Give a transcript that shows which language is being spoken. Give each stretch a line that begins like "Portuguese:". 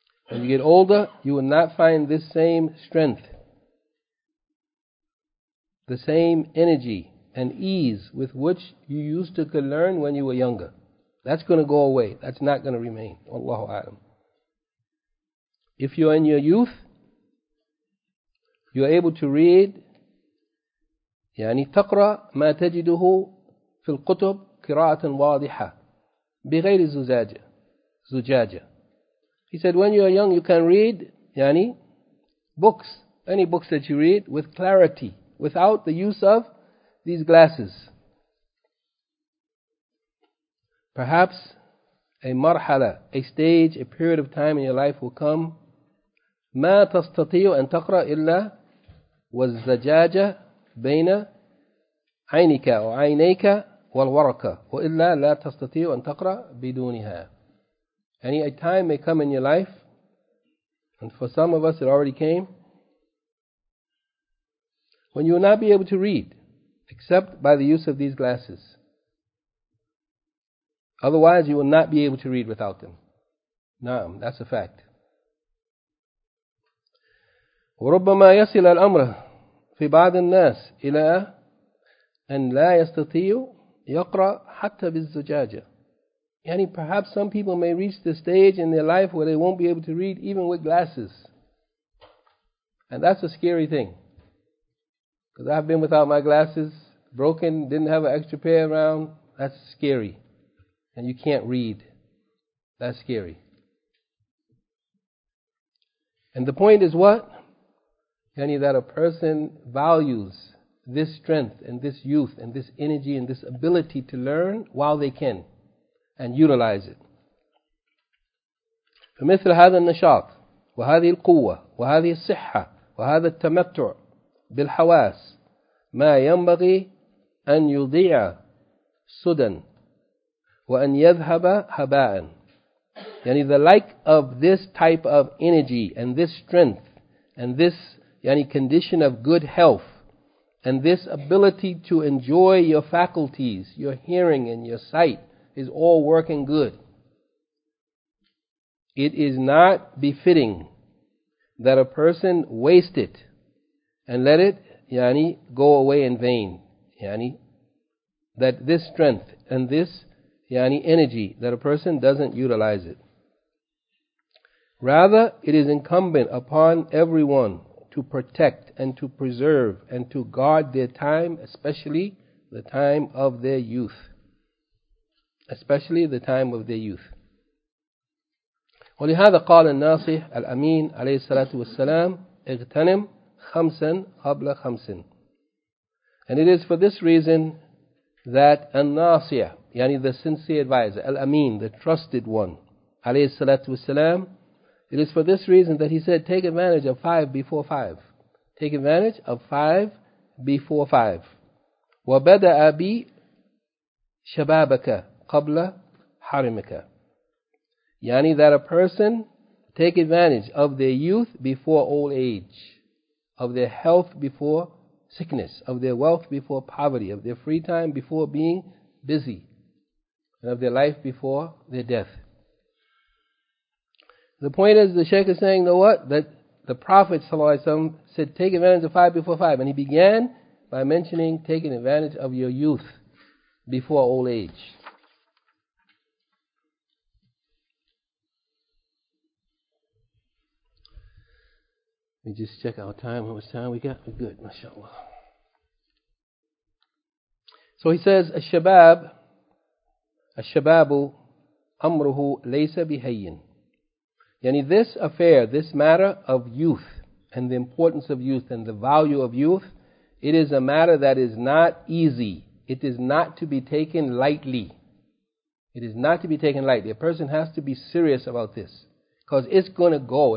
English: When you get older, you will not find this same strength, the same energy and ease with which you used to learn when you were younger. That's going to go away. That's not going to remain. Allahu a'lam. If you're in your youth, you're able to read.
Arabic: يعني تقرأ ما تجده في القطب قراءة واضحة بغير زجاجة. زجاجة.
English: He said, when you're young, you can read يعني books, any books that you read with clarity, without the use of these glasses. Perhaps a مرحلة, a stage, a period of time in your life will come.
Arabic: ما تستطيع أن تقرأ إلا والزجاجة بين عينك أو عينيك والورقة وإلا لا تستطيع أن تقرأ بدونها.
English: Any time may come in your life, and for some of us it already came, when you will not be able to read except by the use of these glasses. Otherwise you will not be able to read without them. Naam, that's a fact.
Arabic: وربما يصل الأمر في بعض الناس إلى أن لا يستطيع يقرأ حتى بالزجاجة.
English: يعني perhaps some people may reach the stage in their life where they won't be able to read even with glasses. And that's a scary thing. Because I've been without my glasses, broken, didn't have an extra pair around. That's scary. And you can't read. That's scary. And the point is what? Yani that a person values this strength and this youth and this energy and this ability to learn while they can and utilize it.
Arabic: فمثل هذا النشاط وهذه القوة وهذه الصحة وهذا التمتع بالحواس ما ينبغي أن يضيع سدى وَأَنْ يَذْهَبَ هَبَاءً.
English: Yani the like of this type of energy and this strength and this yani condition of good health and this ability to enjoy your faculties, your hearing and your sight is all working good. It is not befitting that a person waste it and let it yani go away in vain. Yani that this strength and this yani energy that a person doesn't utilize it. Rather, it is incumbent upon everyone to protect and to preserve and to guard their time, especially the time of their youth. Especially the time of their youth.
Arabic: ولهذا قال الناصح الأمين عليه الصلاة والسلام اغتنم خمسا قبل خمس.
English: And it is for this reason that الناصح, يعني the sincere advisor, الأمين, the trusted one,
Arabic: عليه الصلاة والسلام,
English: it is for this reason that he said, take advantage of five before five. Take advantage of five before five.
Arabic: وَبَدَأَ بِشَبَابَكَ قَبْلَ حَرِمِكَ.
English: Yani that a person take advantage of their youth before old age, of their health before sickness, of their wealth before poverty, of their free time before being busy, and of their life before their death. The point is, the Shaykh is saying, you know what? That the Prophet ﷺ said, take advantage of five before five. And he began by mentioning taking advantage of your youth before old age. Let me just check our time. How much time we got? We're good, mashallah. So he says,
Arabic: الشباب, الشباب أمره ليس بهين.
English: Yani this affair, this matter of youth and the importance of youth and the value of youth, it is a matter that is not easy. It is not to be taken lightly. It is not to be taken lightly. A person has to be serious about this because it's going to go.